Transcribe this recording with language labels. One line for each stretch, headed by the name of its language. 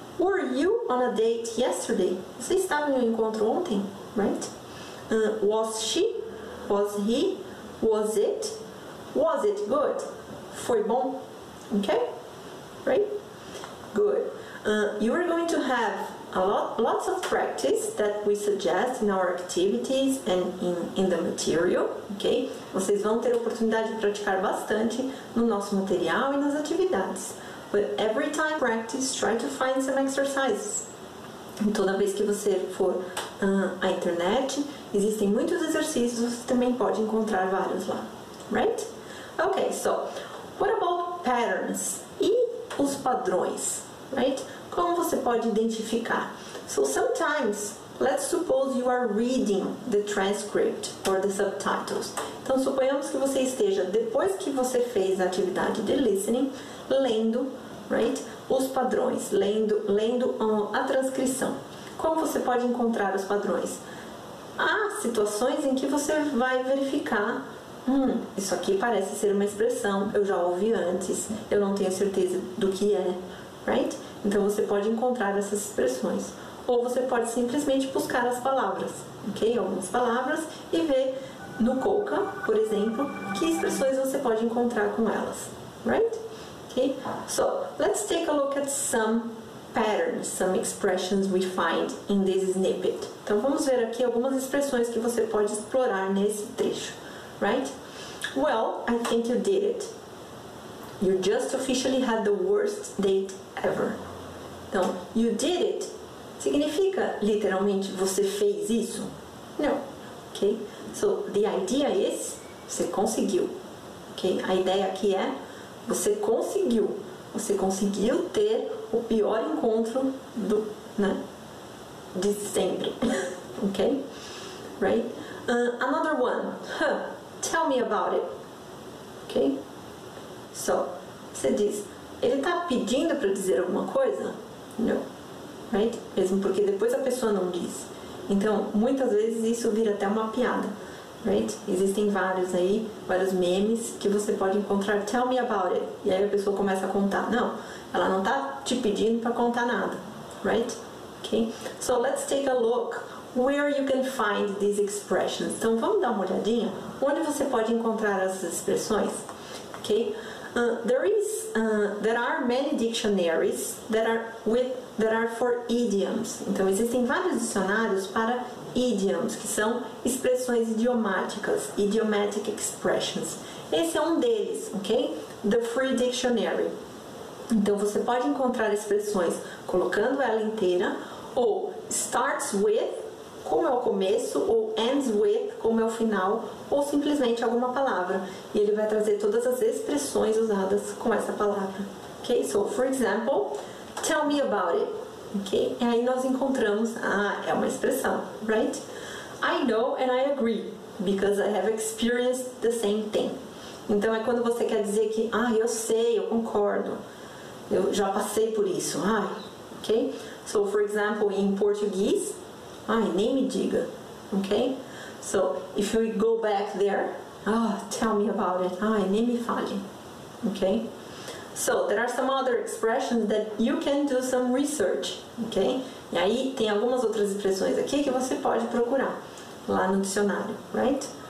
English: Were you on a date yesterday?
Portuguese: Você estava em um encontro ontem,
English: right? Was she? Was he? Was it? Was it good?
Portuguese: Foi bom?
English: Ok? Right? Good. You are going to have lots of practice that we suggest in our activities and in the material, ok?
Portuguese: Vocês vão ter oportunidade de praticar bastante no nosso material e nas atividades.
English: But every time practice, try to find some exercises.
Portuguese: Toda vez que você for à internet, existem muitos exercícios, você também pode encontrar vários lá, right?
English: Ok, so, what about patterns?
Portuguese: E os padrões,
English: right?
Portuguese: Como você pode identificar?
English: So, sometimes, let's suppose you are reading the transcript or the subtitles.
Portuguese: Então, suponhamos que você esteja, depois que você fez a atividade de listening, lendo, right, os padrões, lendo a transcrição. Como você pode encontrar os padrões? Há situações em que você vai verificar, isso aqui parece ser uma expressão, eu já ouvi antes, eu não tenho certeza do que é, right? Então, você pode encontrar essas expressões. Ou você pode simplesmente buscar as palavras, ok? Algumas palavras e ver no COCA, por exemplo, que expressões você pode encontrar com elas, right? Okay?
English: So, let's take a look at some patterns, some expressions we find in this snippet.
Portuguese: Então, vamos ver aqui algumas expressões que você pode explorar nesse trecho, right?
English: Well, I think you did it. You just officially had the worst date ever.
Portuguese: Então,
English: you did it
Portuguese: significa, literalmente, você fez isso? Não. Ok?
English: So, the idea is,
Portuguese: você conseguiu.
English: Ok?
Portuguese: A ideia aqui é, você conseguiu. Você conseguiu ter o pior encontro do, né, de sempre.
English: Ok? Right? Another one. Huh. Tell me about it. Ok?
Portuguese: So, você diz, ele está pedindo para dizer alguma coisa? Não. Right? Mesmo porque depois a pessoa não diz. Então, muitas vezes isso vira até uma piada. Right? Existem vários aí, vários memes que você pode encontrar.
English: Tell me about it.
Portuguese: E aí a pessoa começa a contar. Não, Ela não tá te pedindo para contar nada, right?
English: Okay? So let's take a look where you can find these expressions.
Portuguese: Então vamos dar uma olhadinha onde você pode encontrar essas expressões.
English: Okay? There are many dictionaries that are for idioms.
Portuguese: Então existem vários dicionários para idioms, que são expressões idiomáticas,
English: idiomatic expressions.
Portuguese: Esse é um deles, ok? The Free Dictionary. Então você pode encontrar expressões colocando ela inteira, ou
English: starts with,
Portuguese: como é o começo, ou
English: ends with,
Portuguese: como é o final, ou simplesmente alguma palavra. E ele vai trazer todas as expressões usadas com essa palavra. Ok?
English: So, for example, tell me about it. Ok?
Portuguese: E aí nós encontramos, é uma expressão, right?
English: I know and I agree, because I have experienced the same thing.
Portuguese: Então, é quando você quer dizer que, eu sei, eu concordo, eu já passei por isso, ok?
English: So, for example, in português,
Portuguese: nem me diga,
English: ok? So, if we go back there, tell me about it,
Portuguese: nem me fale,
English: ok? So, there are some other expressions that you can do some research, ok?
Portuguese: E aí, tem algumas outras expressões aqui que você pode procurar lá no dicionário, right?